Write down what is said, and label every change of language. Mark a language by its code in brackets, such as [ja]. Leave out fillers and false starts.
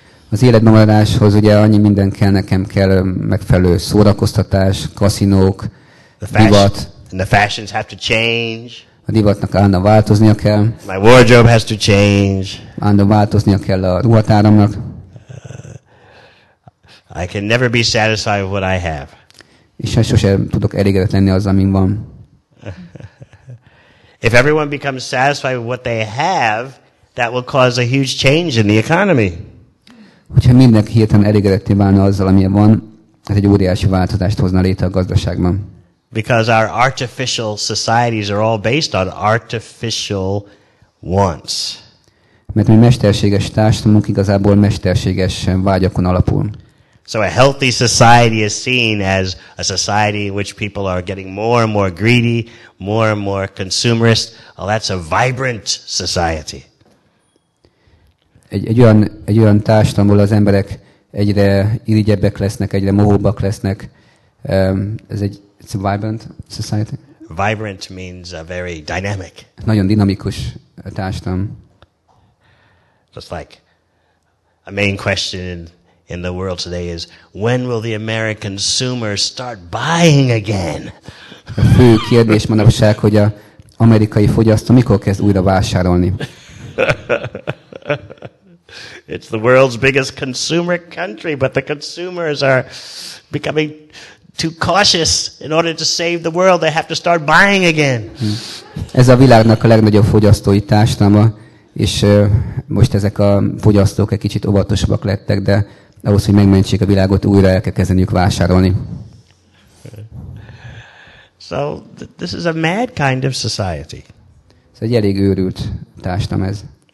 [hu] Az életben maradáshoz ugye annyi minden kell nekem, kell megfelelő szórakoztatás, kaszinók, divat. [en] And the fashions have to change. [hu] A divatnak állandóan változnia kell. [en] My wardrobe has to change. [hu] Állandóan változnia kell a ruhatáramnak. [en] I can never be satisfied with what I have. [hu] És hát sosem tudok elégedett lenni azzal, amin van. [en] If everyone becomes satisfied with what they have, that will cause a huge change in the economy. [hu] Hogyha mindenki hirtelen elégedetté válna azzal, amilyen van, ez egy óriási változást hozna létre a gazdaságban. [en] Because our artificial societies are all based on artificial wants. [hu] Mert mi mesterséges társadalmunk igazából mesterséges vágyakon alapul. [en] So a healthy society is seen as a society in which people are getting more and more greedy, more and more consumerist. Well, that's a vibrant society. [hu] Egy olyan társadalom, ahol az emberek egyre irigyebbek lesznek, egyre mohóbbak lesznek. [en] It's a vibrant society. Vibrant means a very dynamic. [hu] Nagyon dinamikus társadalom. [en] Just like a main question in the world today is, when will the American consumer start buying again? [hu] A fő kérdés manapság, hogy a amerikai fogyasztó mikor kezd újra vásárolni. [en] It's the world's biggest consumer country, but the consumers are becoming too cautious. In order to save the world, they have to start buying again. [hu] Ez a világnak a legnagyobb fogyasztói társadalma, és most ezek a fogyasztók egy kicsit óvatosabbak lettek, de ahhoz, hogy megmentsék a világot, újra el kell kezdeniük vásárolni. [en] So this is a mad kind of society. [hu] Ez egy elég őrült társadalom ez.